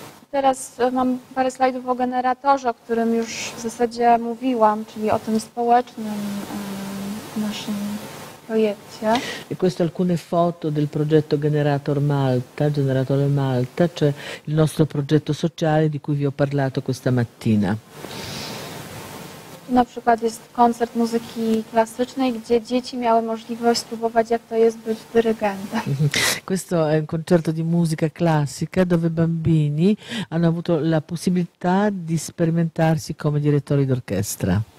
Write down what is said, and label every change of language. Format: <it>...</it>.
<pl>Teraz mam parę slajdów o generatorze, o którym już w zasadzie mówiłam, czyli o tym społecznym naszym projekcie.</pl> <it>E queste alcune foto del progetto Generator Malta, Generatore Malta, cioè il nostro progetto sociale di cui vi ho parlato questa mattina.</it> <pl>Na przykład jest koncert muzyki klasycznej, gdzie dzieci miały możliwość spróbować, jak to jest być dyrygentem.</pl> <it>Questo è un concerto di musica classica dove bambini hanno avuto la possibilità di sperimentarsi come direttori d'orchestra.</it>